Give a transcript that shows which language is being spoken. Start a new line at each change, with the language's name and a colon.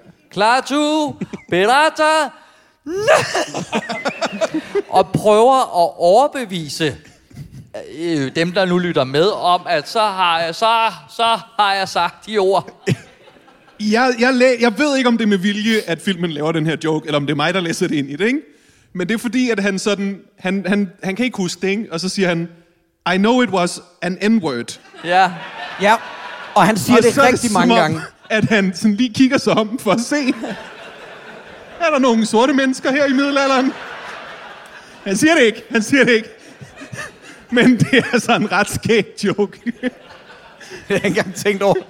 Danish: Klar to, berata, og prøver at overbevise... dem, der nu lytter med om, at så har jeg sagt de ord. Jeg ved ikke, om det er med vilje, at filmen laver den her joke, eller om det er mig, der læser det ind i det, ikke? Men det er fordi, at han sådan, han kan ikke huske det, ikke? Og så siger han,
English: I know it was an N-word.
Danish: Ja, ja. Og han siger og det rigtig det mange om, gange. At han sådan lige kigger sig om for at se, er der nogle sorte mennesker her i middelalderen? Han siger det ikke. Men det er altså en ret skægt joke. Det har jeg ikke engang tænkt over.